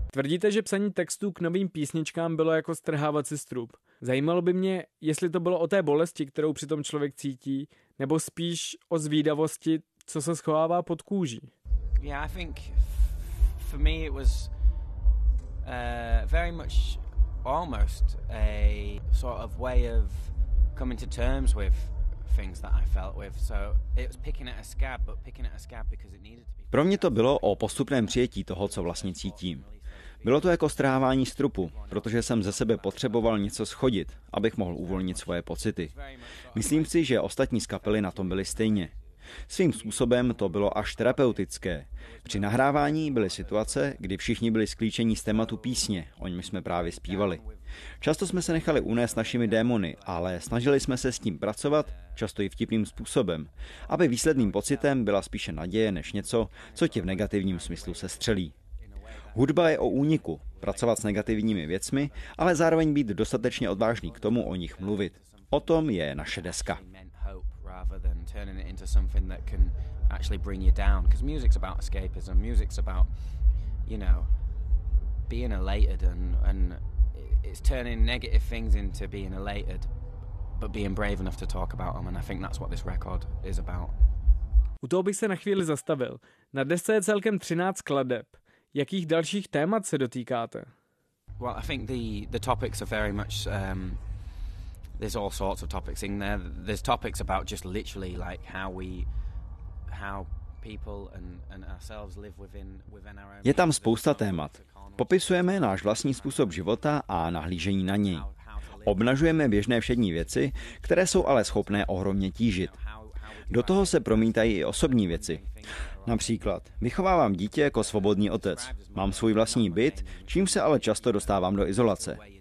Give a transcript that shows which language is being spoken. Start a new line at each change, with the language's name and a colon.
Czech: Tvrdíte, že psaní textů k novým písničkám bylo jako strhávat si strup. Zajímalo by mě, jestli to bylo o té bolesti, kterou přitom člověk cítí, nebo spíš o zvídavosti, co se schovává pod kůží.
English: Yeah, I think for me it was very much almost a sort of way of coming to terms with things that I felt with. So it was picking at a scab, but picking at a scab because it needed to be.
Czech: Pro mě to bylo o postupném přijetí toho, co vlastně cítím. Bylo to jako strhávání strupu, protože jsem ze sebe potřeboval něco schodit, abych mohl uvolnit svoje pocity. Myslím si, že ostatní z kapely na tom byli stejně. Svým způsobem to bylo až terapeutické. Při nahrávání byly situace, kdy všichni byli sklíčení z tématu písně, o něm jsme právě zpívali. Často jsme se nechali unést našimi démony, ale snažili jsme se s tím pracovat, často i vtipným způsobem, aby výsledným pocitem byla spíše naděje než něco, co tě v negativním smyslu sestřelí. Hudba je o úniku, pracovat s negativními věcmi, ale zároveň být dostatečně odvážný k tomu o nich mluvit. O tom je naše deska.
English: Rather than turning it into something that can actually bring you down, because music's about escapism, music's about, you know, being elated and it's turning negative things into being elated, but being brave enough to talk about them, and I think that's what this record is about.
Czech: U toho bych se na chvíli zastavil. Na desce je celkem 13 skladeb. Jakých dalších témat se dotýkáte?
English: Well, I think the topics are very much there's all sorts of topics in there. There's topics about just literally like how people and ourselves live within our own.
Czech: Je tam spousta témat. Popisujeme náš vlastní způsob života a nahlížení na něj. Obnažujeme běžné všední věci, které jsou ale schopné ohromně tížit. Do toho se promítají i osobní věci. Například, vychovávám dítě jako svobodný otec. Mám svůj vlastní byt, čím se ale často dostávám do izolace.